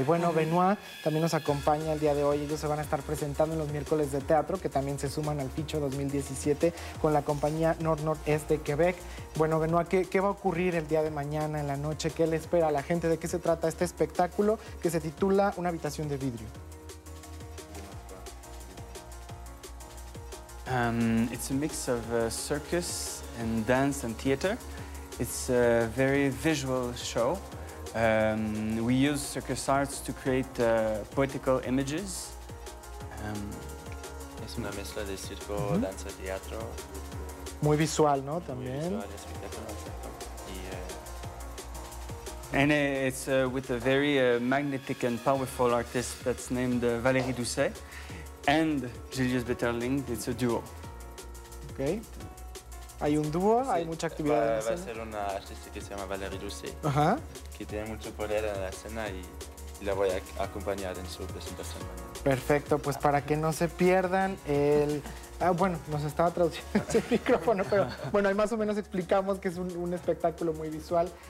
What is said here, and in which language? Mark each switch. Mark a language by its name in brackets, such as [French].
[Spanish] Y bueno, Benoit también nos acompaña el día de hoy. Ellos se van a estar presentando en los miércoles de teatro, que también se suman al Ficho 2017 con la compañía Nord-Nord-Est de Quebec. Bueno, Benoit, ¿qué va a ocurrir el día de mañana, en la noche? ¿Qué le espera a la gente? ¿De qué se trata este espectáculo que se titula Una habitación de vidrio? [English] It's a mix of circus and dance and theater. It's a very visual show. We use circus arts to create poetical images. [Spanish] Es una mezcla de circo, danza, teatro. Muy visual, ¿no? También. [English] And it's with a very magnetic and powerful artist that's named Valérie Doucet and Julius Betterling. It's a duo. [Spanish] Okay. Hay un dúo, sí, hay mucha actividad. Va a ser una artista que se llama Valérie Doucet, que tiene mucho poder en la escena y la voy a acompañar en su presentación. Perfecto, pues para que no se pierdan el... bueno, nos estaba traduciendo el micrófono, pero bueno, ahí más o menos explicamos que es un espectáculo muy visual